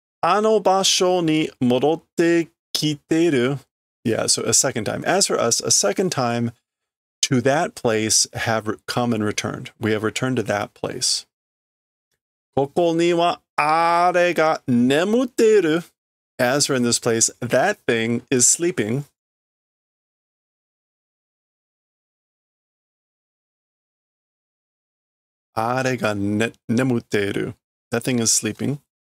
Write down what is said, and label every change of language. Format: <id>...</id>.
<ja>あの場所に戻ってきてる。</ja> <en>Yeah, so a second time. As for us, a second time to that place have come and returned. We have returned to that place.</en> <ja>ここにはあれが眠ってる。</ja> <en>As for in this place, that thing is sleeping.</en> <ja>あれが眠ってる。</ja> <en>That thing is sleeping.</en>